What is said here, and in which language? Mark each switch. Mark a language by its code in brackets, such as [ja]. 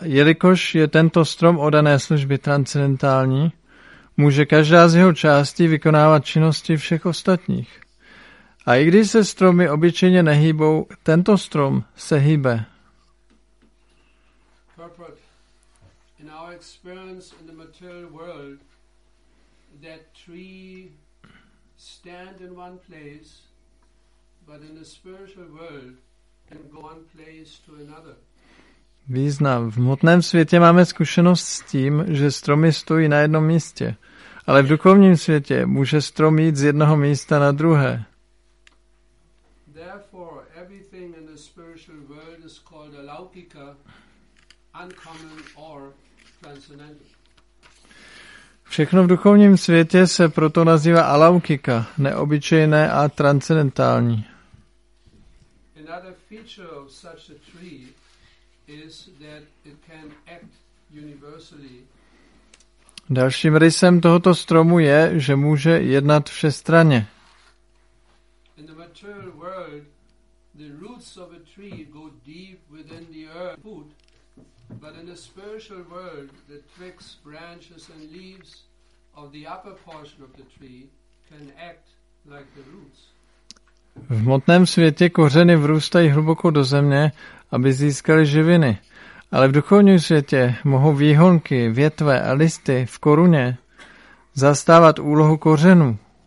[cs] Jelikož je tento strom oddané služby transcendentální, může každá z jeho částí vykonávat činnosti všech ostatních. A i když se stromy obyčejně nehýbou, tento strom se hýbe. [en] In our experience in the material world, that tree stand in one place, but in the spiritual world can go one place to another. [cs] Význam. V hmotném světě máme zkušenost s tím, že stromy stojí na jednom místě, ale v duchovním světě může strom jít z jednoho místa na druhé. [en] Therefore, everything in the spiritual world is called alaukika, uncommon or [cs] všechno v duchovním světě se proto nazývá alaukika, neobyčejné a transcendentální. [en] Another feature of such a tree is that it can act universally. [cs] Dalším rysem tohoto stromu je, že může jednat všestranně. [en] In the material world, the roots of a tree go deep within the earth. But in the spiritual world, the twigs, branches and leaves of the upper portion of the tree can act like the roots. [cs] V hmotném světě kořeny vrůstají hluboko do země, aby získaly živiny. Ale v duchovním světě mohou výhonky, větve a listy v koruně zastávat úlohu kořenů.